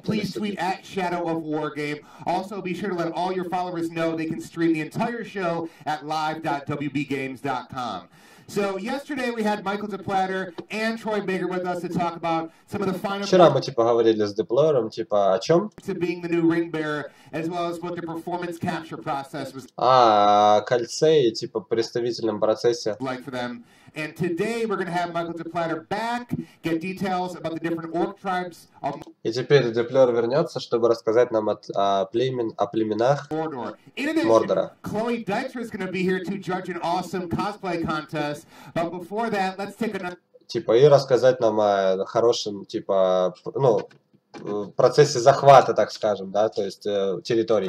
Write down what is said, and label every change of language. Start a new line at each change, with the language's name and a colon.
English: Please tweet at Shadow of War Game. Also, be sure to let all your followers know they can stream the entire show at live.wbgames.com. So, yesterday we had Michael Deplatter and Troy Baker with us to talk about some of the final...
Russian: Вчера мы, типа, говорили с Деплатером, типа, о чем?
English: ...to being the new ring bearer, as well as what the performance capture process was...
Russian: А, кольце и, типа, представительном процессе.
English: ...like for them. And today we're going to have Michael Deplatter back, get details about the different orc tribes... Of...
Russian: И теперь Деплер вернется, чтобы рассказать нам о племенах
English: Мордора. Chloe Dykstra is going to be here to judge an awesome cosplay contest. But before that, let's take another...
Russian: Типа, и рассказать нам о хорошем, типа, ну, процессе захвата, так скажем, да, то есть территории.